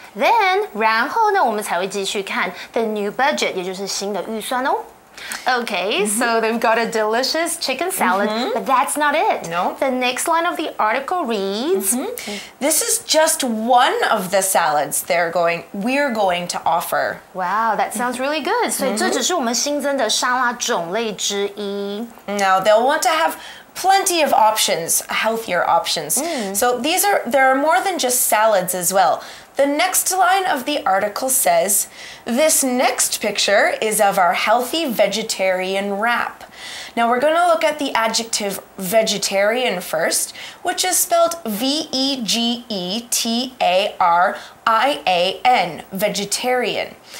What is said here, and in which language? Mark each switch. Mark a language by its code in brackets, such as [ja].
[zh] Then, 然后呢我们才会继续看 [en] the new budget, [zh] 也就是新的预算哦。 [en] Okay, so they've got a delicious chicken salad, but that's not it. No. The next line of the article reads, This is just one of the salads we're going to offer. Wow, that sounds really good. [zh] So, 这只是我们新增的沙拉种类之一。 [en] Now, they'll want to have plenty of options, healthier options. So, there are more than just salads as well. The next line of the article says, this next picture is of our healthy vegetarian wrap. Now we're going to look at the adjective vegetarian first, which is spelled V-E-G-E-T-A-R-I-A-N, vegetarian.